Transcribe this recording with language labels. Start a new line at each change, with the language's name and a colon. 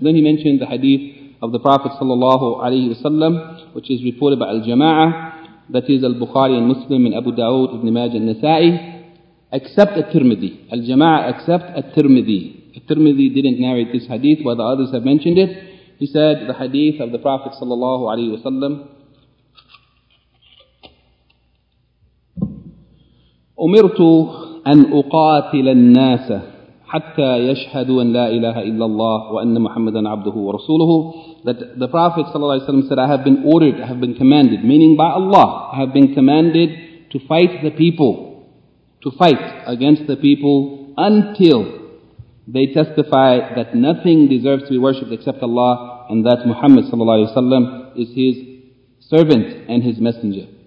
English: Then he mentioned the hadith of the Prophet sallallahu alayhi wasallam, which is reported by Al-Jama'ah, that is Al-Bukhari and Muslim and Abu Dawud, Ibn Majah and Nasa'i, except At-Tirmidhi. Al-Jama'ah except At-Tirmidhi. At-Tirmidhi didn't narrate this hadith, but the others have mentioned it. He said the hadith of the Prophet sallallahu alayhi wa sallam,
Arabic: أُمِرْتُ أَنْ أُقَاتِلَ النَّاسَ حَتَّى يَشْهَدُوا أَنْ لَا إِلَهَ إِلَّا اللَّهُ وَأَنَّ مُحَمَّدًا عَبْدُهُ وَرَسُولُهُ.
English: That the Prophet sallallahu alaihi wasallam said, I have been ordered, I have been commanded, meaning by Allah, I have been commanded to fight the people, to fight against the people until they testify that nothing deserves to be worshipped except Allah and that Muhammad sallallahu alaihi wasallam is his servant and his messenger.